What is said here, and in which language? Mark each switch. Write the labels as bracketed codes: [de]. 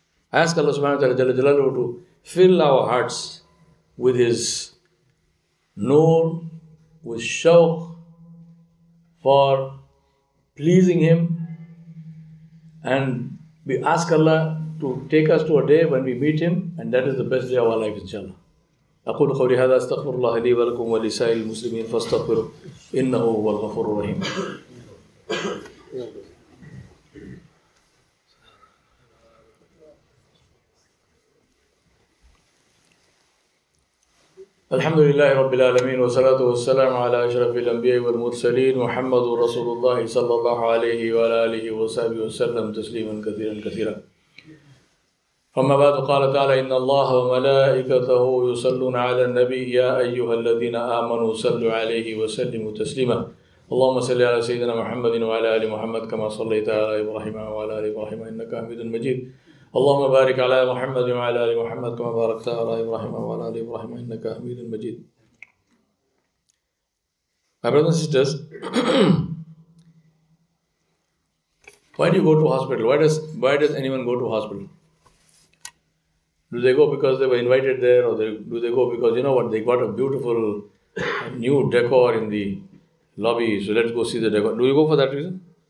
[en] Ask Allah subhanahu wa ta'ala to fill our hearts with His noor, with shawq, for pleasing Him. And we ask Allah to take us to a day when we meet Him, and that is the best day of our life, inshallah. [ar] أقول قولي هذا استغفر الله لي ولكم ولسائر المسلمين فاستغفروا إنه هو الغفور الرحيم. الحمد لله رب العالمين والصلاة والسلام على أشرف الأنبياء والمرسلين محمد رسول الله صلى الله عليه وعلى آله وصحبه وسلم تسليما كثيرا كثيرا. أما بعد قال تعالى إن الله وملائكته يصلون على النبي يا أيها الذين آمنوا صلوا عليه وسلموا تسليما اللهم صل على سيدنا محمد وعلى آل محمد كما صليت على إبراهيم وعلى آل إبراهيم إنك حميد مجيد اللهم بارك على محمد وعلى آل محمد كما باركت على إبراهيم وعلى آل إبراهيم إنك حميد مجيد. [en] My brothers and sisters, why do you go to hospital? Why does anyone go to hospital? Do they go because they were invited there, or do they go because, you know what, they got a beautiful new decor in the lobby, so let's go see the decor? Do you go for that reason?